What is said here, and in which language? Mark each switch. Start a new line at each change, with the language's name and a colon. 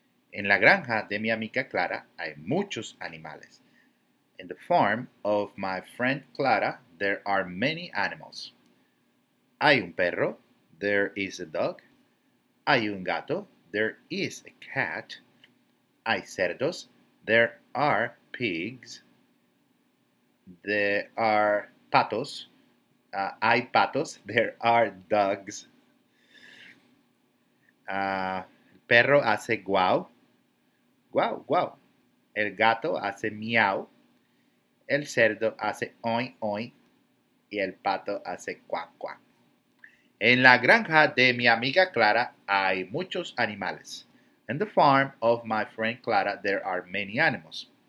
Spanish: En la granja de mi amiga Clara hay muchos animales.
English: In the farm of my friend Clara, there are many animals.
Spanish: Hay un perro.
English: There is a dog.
Spanish: Hay un gato.
English: There is a cat.
Spanish: Hay cerdos.
English: There are pigs. There are patos.
Spanish: Hay patos.
English: There are dogs.
Spanish: El perro hace guau. Guau, guau. El gato hace miau. El cerdo hace oin, oin. Y el pato hace cuac, cuac. En la granja de mi amiga Clara hay muchos animales.
English: In the farm of my friend Clara, there are many animals.